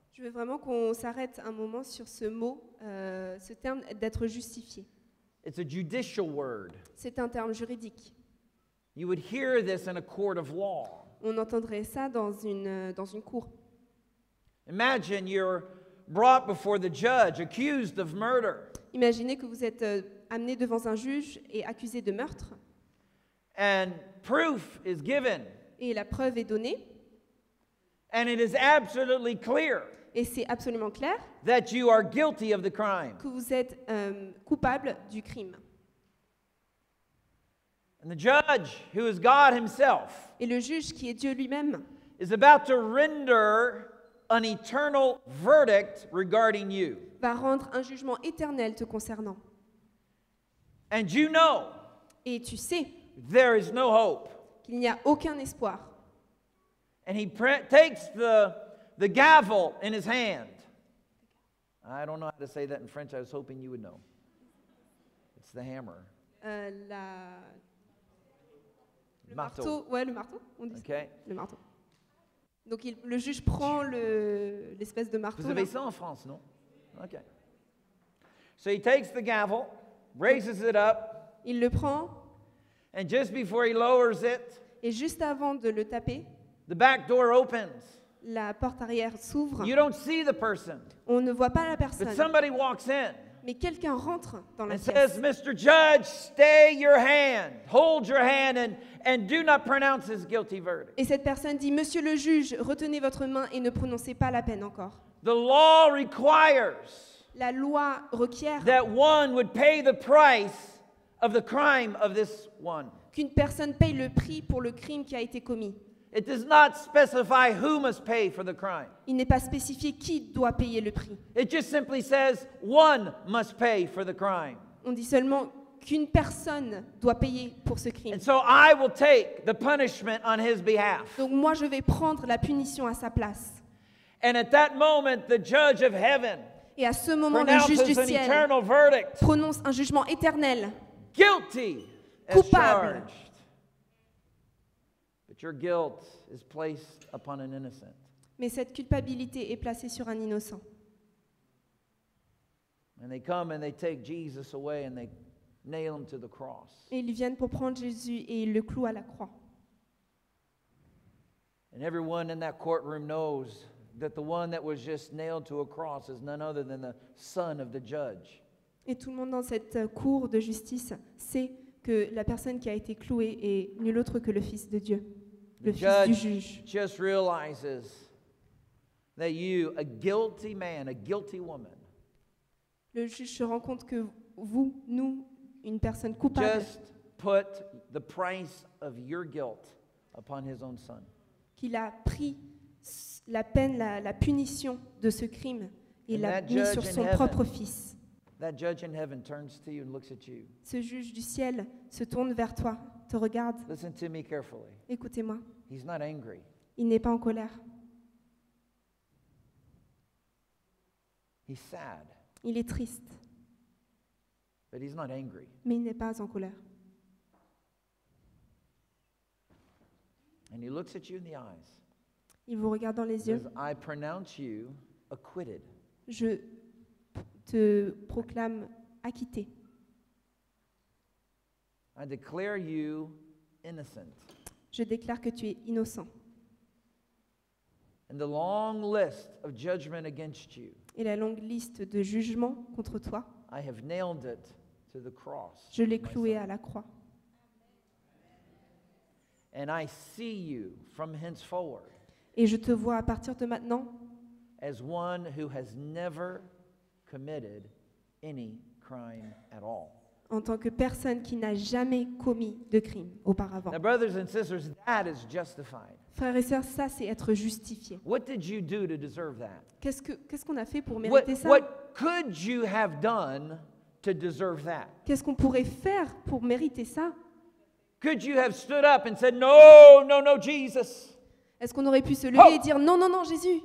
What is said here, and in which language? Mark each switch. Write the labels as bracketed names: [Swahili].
[French] Je veux vraiment qu'on s'arrête un moment sur ce mot, ce terme d'être justifié. [English] It's a judicial word. [French] C'est un terme juridique. [English] You would hear this in a court of law. [French] On entendrait ça dans une cour. [English] Imagine you're brought before the judge, accused of murder. [French] Imaginez que vous êtes amené devant un juge et accusé de meurtre. [English] And proof is given. [French] Et la preuve est donnée. [English] And it is absolutely clear. [French] Et c'est absolument clair [English] that you are guilty of the crime. [French] Que vous êtes coupable du crime. [English] And the judge, who is God himself, [French] et le juge qui est Dieu lui-même, [English] is about to render an eternal verdict regarding you. [French] Va rendre un jugement éternel te concernant. [English] And you know, [French] et tu sais, [English] there is no hope. [French] Qu'il n'y a aucun espoir. [English] And he takes the gavel in his hand. I don't know how to say that in French. I was hoping you would know. It's the hammer. [French] Le marteau. Ouais, le marteau. On dit [English] okay. [French] Ça. Le marteau. Donc le juge prend l'espèce de marteau. Vous avez ça en France, non? Okay. [English] So he takes the gavel, raises it up. [French] Il le prend. [English] And just before he lowers it. [French] Et juste avant de le taper. [English] The back door opens. [French] La porte arrière s'ouvre. [English] You don't see the person. [French] On ne voit pas la personne. [English] But somebody walks in. [French] Mais quelqu'un rentre dans la pièce. [English] And says, Mr. Judge, stay your hand. Hold your hand and do not pronounce his guilty verdict. [French] Et cette personne dit, Monsieur le juge, retenez votre main et ne prononcez pas la peine encore. [English] The law requires. [French] La loi requiert. [English] That one would pay the price of the crime of this one. [French] Qu'une personne paye le prix pour le crime qui a été commis. [English] It does not specify who must pay for the crime. [French] Il n'est pas spécifié qui doit payer le prix. [English] It just simply says one must pay for the crime. [French] On dit seulement qu'une personne doit payer pour ce crime. [English] And so I will take the punishment on his behalf. [French] Donc moi je vais prendre la punition à sa place. [English] And at that moment, the judge of heaven [French] et à ce moment, le juge du ciel prononce un jugement éternel. [English] Guilty [French] coupable. [English] But your guilt is placed upon an innocent. [French] Mais cette culpabilité est placée sur un innocent. [English] And they come and they take Jesus away and they nail him to the cross. [French] Et ils viennent pour prendre Jésus et ils le clouent à la croix. [English] And everyone in that courtroom knows that the one that was just nailed to a cross is none other than the son of the judge. [French] Et tout le monde dans cette cour de justice sait que la personne qui a été clouée est nul autre que le fils de Dieu, le fils du juge. [English] Just realizes that you, a guilty man, a guilty woman. [French] Le juge se rend compte que vous, nous, une personne coupable. [English] Just put the price of your guilt upon his own son. [French] Qu'il a pris la peine, la punition de ce crime, il l'a mis sur son propre fils. Ce juge du ciel se tourne vers toi, te regarde. [English] Listen to me carefully. [French] Écoutez-moi. [English] He's not angry. [French] Il n'est pas en colère. [English] He's sad. [French] Il est triste. [English] But he's not angry. [French] Mais il n'est pas en colère. [English] And he looks at you in the eyes. [French] Il vous regarde dans les yeux. [English] I pronounce you acquitted. [French] Je te proclame acquitté. [English] I declare you innocent. [French] Je déclare que tu es innocent. [English] And the long list of judgment against you. [French] Et la longue liste de jugements contre toi. [English] I have nailed it to the cross. [French] Je l'ai cloué à la croix. [English] And I see you from henceforward. [French] Et je te vois à partir de maintenant [English] as one who has never committed any crime at all. [French] En tant que personne qui n'a jamais commis de crime auparavant. [English] Now, brothers and sisters, that is justified. [French] Frères et sœurs, ça c'est être justifié. [English] What did you do to deserve that? [French] Qu'est-ce qu'on a fait pour mériter ça? [English] What could you have done to deserve that? [French] Qu'est-ce qu'on pourrait faire pour mériter ça? [English] Could you have stood up and said, no, no, no, Jesus? [French] Est-ce qu'on aurait pu se lever et dire non, non, non, Jésus?